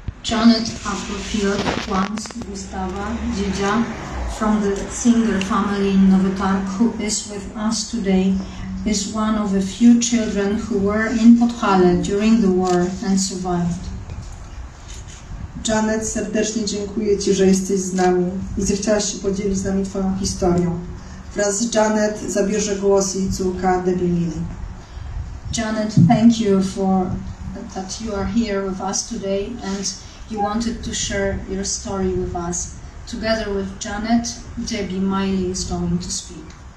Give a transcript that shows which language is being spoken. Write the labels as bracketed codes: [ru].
[en] Janet Appelfield, once Gustawa Dzidzia, from the Singer family in Nowy Targ, who is with us today, is one of a few children who were in Podhale during the war and survived. [pl] Janet, serdecznie dziękuję Ci, że jesteś z nami i zechciałaś się podzielić z nami Twoją historią. Wraz z Janet zabierze głos jej córka Debbie Mili. [en] Janet, thank you for that you are here with us today and you wanted to share your story with us. Together with Janet, Debbie Miley is going to speak.